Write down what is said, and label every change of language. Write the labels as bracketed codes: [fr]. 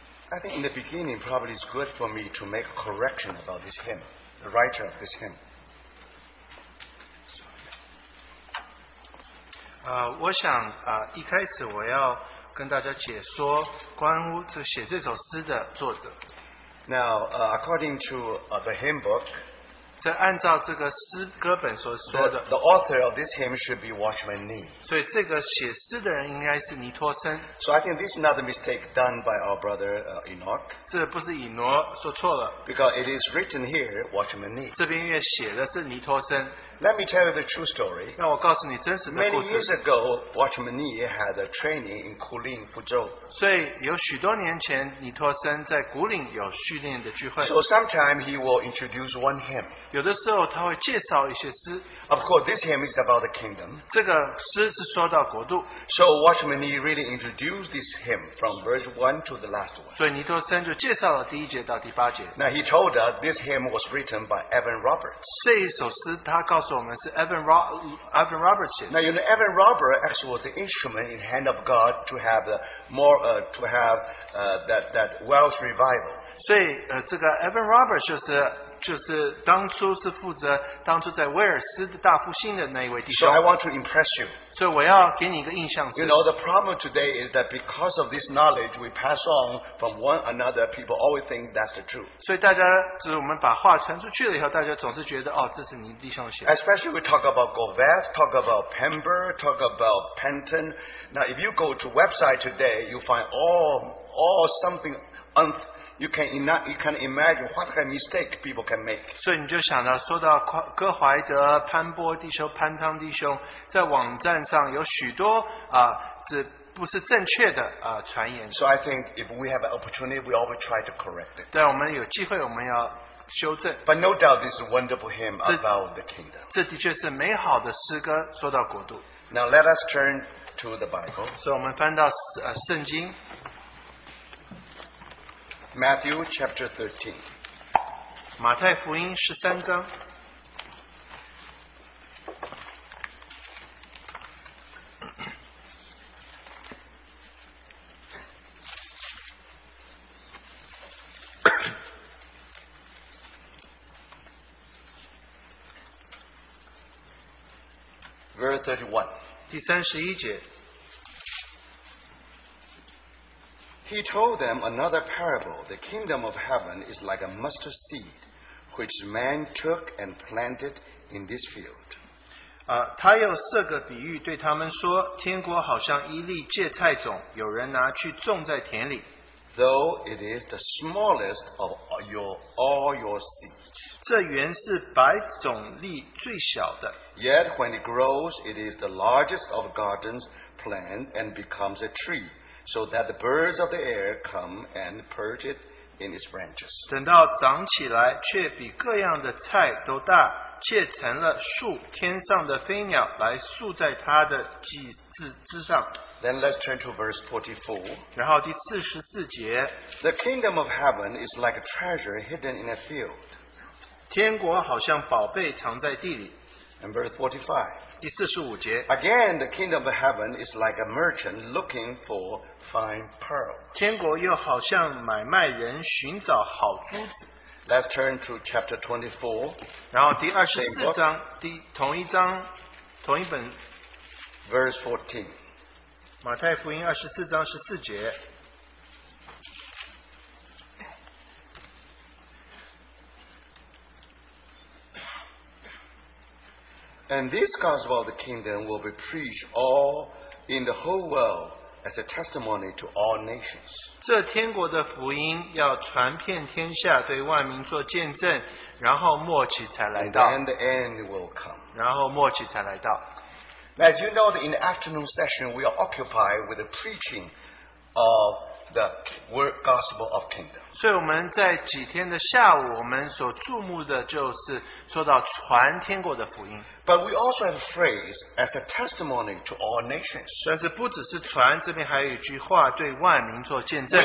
[en] I think in the beginning, probably it's good for me to make a correction about this hymn, the writer of this hymn. [zh] 我想一开始我要跟大家解说关于写这首诗的作者。 [en] Now, according to the hymn book, [zh] 在按照这个诗歌本所说的 [en] the author of this hymn should be Watchman Nee. [zh] 所以这个写诗的人应该是尼托森。 [en] So I think this is not a mistake done by our brother Enoch. [zh] 这不是以诺说错了。 [en] Because it is written here, Watchman Nee. [zh] 这边也写的是尼托森。 [en] Let me tell you the true story. [zh] 让我告诉你真实的故事。 [en] Many years ago, Watchman Nee had a training in Guilin, Fuzhou. [zh] 所以有许多年前，尼托森在古岭有训练的聚会。 [en] So sometime he will introduce one hymn. [zh] 有的时候他会介绍一些诗。 [en] Of course, this hymn is about the kingdom. [zh] 这个诗是说到国度。 [en] So Watchman Nee really introduced this hymn from verse 1 to the last one. [zh] 所以尼托森就介绍了第一节到第八节。 [en] Now he told us this hymn was written by Evan Roberts. [zh] 这一首诗他告诉我们是 Evan Roberts 写的。 [en] Now you know Evan Roberts actually was the instrument in hand of God to have the more to have that Welsh revival. [zh] 所以这个 Evan Roberts 就是当初是负责当初在威尔斯的大复兴的那一位弟兄。 [en] So I want to impress you. [zh] 所以我要给你一个印象是。 [en] You know the problem today is that because of this knowledge we pass on from one another, people always think that's the truth. [zh] 所以大家就是我们把话传出去了以后，大家总是觉得哦，这是你弟兄写的。 [en] Especially we talk about Govet, talk about Pember, talk about Penton. Now if you go to website today, you find all something un. You can imagine what kind of mistake people can make. [zh] 所以你就想到说到哥怀德、潘波弟兄、潘汤弟兄，在网站上有许多这不是正确的传言。 [en] So I think if we have an opportunity, we always try to correct it. [zh] 对，我们有机会，我们要修正。 [en] But no doubt, this is a wonderful hymn about the kingdom. [zh] 这的确是美好的诗歌，说到国度。 [en] Now let us turn to the Bible. [zh] 所以我们翻到圣经。 [en] Matthew chapter 13. [zh] 马太福音十三章。 [en] Verse 31. [zh] 第三十一节。 [en] He told them another parable. The kingdom of heaven is like a mustard seed, which man took and planted in this field. [zh] 他又设个比喻对他们说，天国好像一粒芥菜种，有人拿去种在田里。 [en] Though it is the smallest of all your seeds. [zh] 这原是百种粒最小的。 [en] Yet when it grows, it is the largest of gardens plant and becomes a tree. So that the birds of the air come and perch it in its branches. [zh] 等到长起来，却比各样的菜都大，且成了树，天上的飞鸟来宿在它的枝上。 [en] Then let's turn to verse 44. [zh] 然后第四十四节。 [en] The kingdom of heaven is like a treasure hidden in a field. [zh] 天国好像宝贝藏在地里。 [en] And verse 45. [zh] 第四十五节。 [en] Again, the kingdom of heaven is like a merchant looking for fine pearl. [zh] 天国又好像买卖人寻找好珠子。 [en] Let's turn to chapter 24. [zh] 然后第二十四章，第同一章，同一本。 [en] Verse 14. [zh] 马太福音二十四章十四节。 [en] And this gospel of the kingdom will be preached all in the whole world as a testimony to all nations. [zh] 这天国的福音要传遍天下，对万民做见证，然后末期才来到。 [en] And then the end will come. [zh] 然后末期才来到。 [en] As you know, in the afternoon session, we are occupied with the preaching of the word gospel of kingdom. [zh] 所以我们在几天的下午，我们所注目的就是说到传天国的福音。 [en] But we also have a phrase as a testimony to all nations. [zh] 但是不只是传，这边还有一句话对万民做见证。